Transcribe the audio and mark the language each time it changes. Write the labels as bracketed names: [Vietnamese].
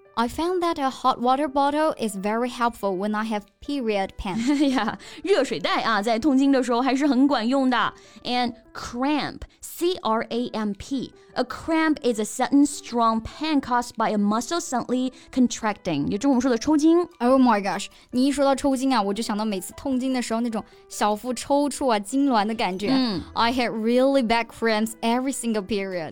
[English] I found that a hot water bottle is very helpful when I have period pain. [Chinese] Yeah, 热水袋啊，在痛经的时候还是很管用的。 [English] And cramp. C-R-A-M-P. A cramp is a sudden strong pain caused by a muscle suddenly contracting. [Chinese] 也就是我们说的抽筋。 [English] Oh my gosh. [Chinese] 你一说到抽筋啊，我就想到每次痛经的时候那种小腹抽搐啊，痉挛的感觉。 Mm. [English] I had really bad cramps every single period.